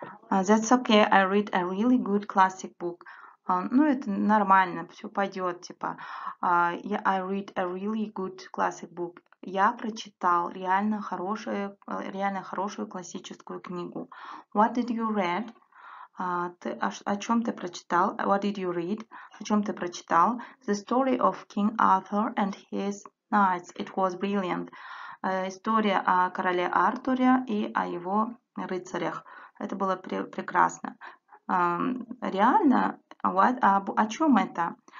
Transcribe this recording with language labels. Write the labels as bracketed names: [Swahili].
[English] That's okay, I read a really good classic book. [Russian] Ну, это нормально, все пойдет, типа. [English] I read a really good classic book. [Russian] Я прочитал реально хорошую классическую книгу. [English] What did you read? [Russian] О чем ты прочитал? [English] What did you read? [Russian] О чем ты прочитал? [English] The story of King Arthur and his knights. It was brilliant. [Russian] История о короле Артуре и о его рыцарях. Это было прекрасно. Реально, о чем это?